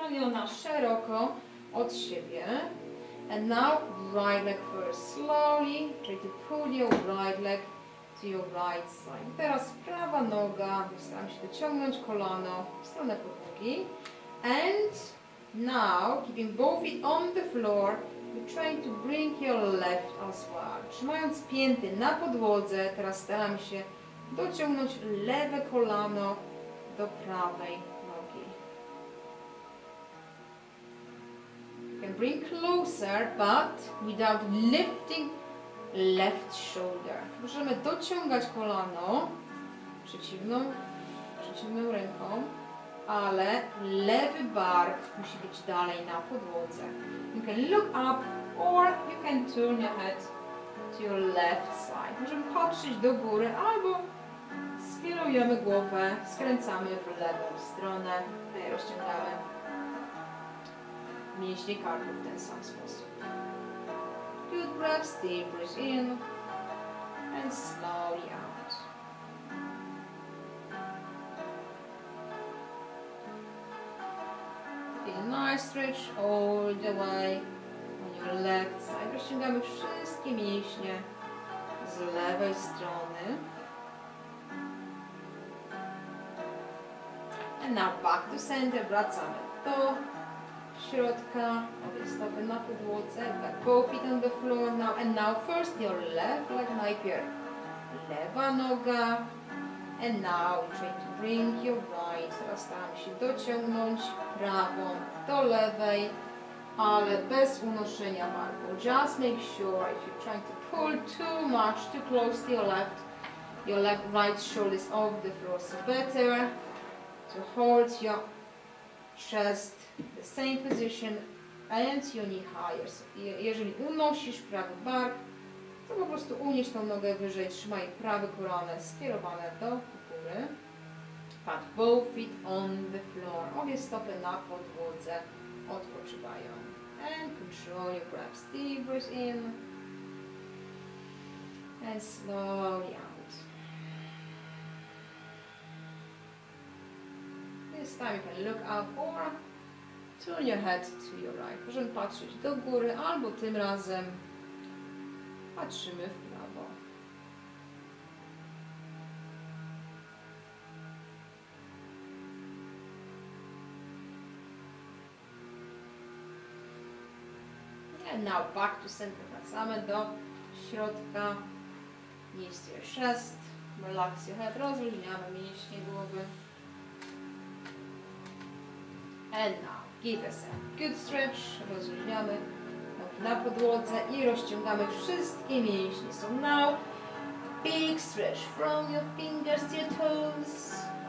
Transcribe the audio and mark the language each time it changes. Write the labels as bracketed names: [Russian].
[Polish] Ramiona szeroko od siebie. [English] And now right leg first. Slowly try to pull your right leg to your right side. [Polish] Teraz prawa noga. Staram się dociągnąć kolano w stronę podłogi. [English] And now, keeping both feet on the floor, you try to bring your left as well. [Polish] Trzymając pięty na podłodze, teraz staram się dociągnąć lewe kolano do prawej. [English] Bring closer, but without lifting left shoulder. [Polish] Możemy dociągać kolano przeciwną ręką, ale lewy bark musi być dalej na podłodze. [English] You can look up or you can turn your head to your left side. [Polish] Możemy patrzeć do góry albo skierujemy głowę, skręcamy w lewą stronę i rozciągamy mięśnie karków w ten sam sposób. [English] Good breaths, deep breath in and slowly out. Feel nice stretch all the way on your left side. [Polish] Rozciągamy wszystkie mięśnie z lewej strony. [English] And now back to center, [Polish] wracamy to środka, obie stopy na podłodze, [English] both feet on the floor now, and now first your left leg, [Polish] najpierw lewa noga, [English] and now try to bring your right, [Polish] teraz staram się dociągnąć prawą do lewej, ale bez unoszenia barku. [English] Just make sure if you're trying to pull too much, too close to your left right shoulder is off the floor, so better to hold your chest the same position and your knee higher. [Polish] So jeżeli unosisz prawy bark, to po prostu unieś tą nogę wyżej, trzymaj prawe kolano skierowane do góry. [English] Put both feet on the floor. [Polish] Obie stopy na podłodze odpoczywają. [English] And control your breath. Deep breath in. And slowly out. This time you can look up or turn your head to your right. [Polish] Możemy patrzeć do góry, albo tym razem patrzymy w prawo. [English] And now back to center. [Polish] Wracamy do środka. [English] Miejsce your chest. Relax your head. [Polish] Rozluźniamy mięśnie głowy. [English] And now, give us a good stretch. [Polish] Rozluźniamy na podłodze i rozciągamy wszystkie mięśnie. [English] So now, big stretch from your fingers to your toes.